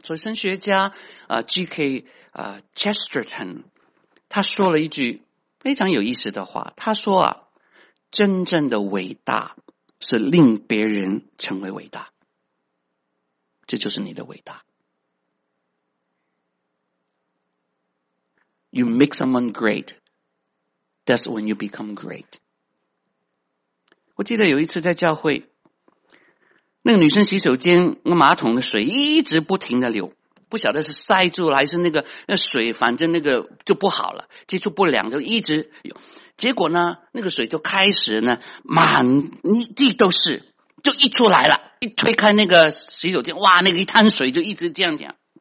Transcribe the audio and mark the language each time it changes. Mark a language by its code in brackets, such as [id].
[zh] 所以神学家GK Chesterton 他说了一句非常有意思的话，他说啊，真正的伟大是令别人成为伟大，这就是你的伟大。 [en] You make someone greatThat's when you become great. [zh] 我记得有一次在教会，那个女生洗手间那马桶的水一直不停的流，不晓得是塞住了还是那水反正那个就不好了，接触不良就一直有。结果呢，那个水就开始呢满地都是，就一出来了，一推开那个洗手间，哇，那个一滩水就一直这样讲。